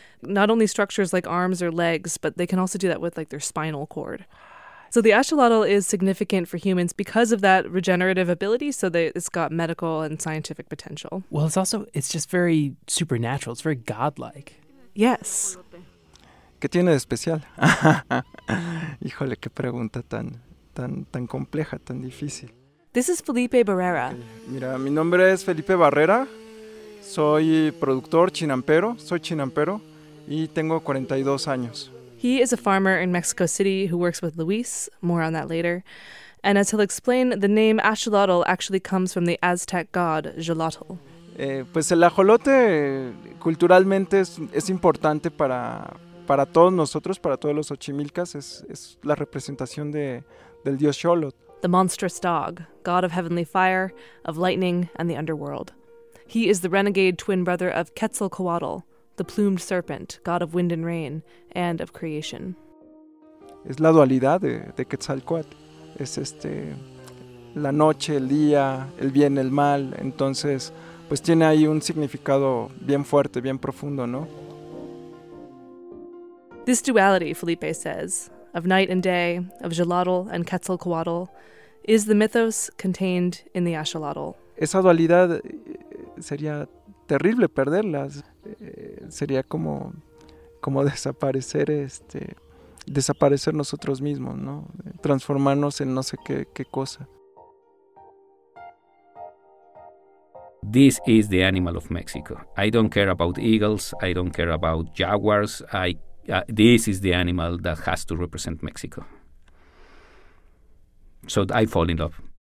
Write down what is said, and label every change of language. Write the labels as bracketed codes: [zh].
[en] Not only structures like arms or legs, but they can also do that with like their spinal cord. So the axolotl is significant for humans because of that regenerative ability, so that it's got medical and scientific potential. Well, it's just very supernatural. It's very godlike. Yes. [es] ¿Qué tiene de especial? Híjole, qué pregunta tan compleja, tan difícil. [en] This is Felipe Barrera. [es] Mira, mi nombre es Felipe Barrera. Soy productor chinampero. Soy chinampero y tengo 42 años. [en] He is a farmer in Mexico City who works with Luis, more on that later. And as he'll explain, the name axolotl actually comes from the Aztec god, Xolotl. [es] Pues el ajolote culturalmente es importante para todos nosotros, para todos los ochimilcas, es la representación del dios Xolotl. [en] The monstrous dog, god of heavenly fire, of lightning, and the underworld. He is the renegade twin brother of Quetzalcoatl, the plumed serpent, god of wind and rain, and of creation. [es] Es la dualidad de Quetzalcoatl. Es este la noche, el día, el bien, el mal. Entonces, pues tiene ahí un significado bien fuerte, bien profundo, ¿no? [en] This duality, Felipe says, of night and day, of Xolotl and Quetzalcoatl, is the mythos contained in the axolotl. [es] Esa dualidad sería terrible perderlas. Sería como desaparecer desaparecer nosotros mismos, ¿no? Transformarnos en no sé qué cosa. [en] This is the animal of Mexico. I don't care about eagles, I don't care about jaguars. This is the animal that has to represent Mexico. So I fall in love.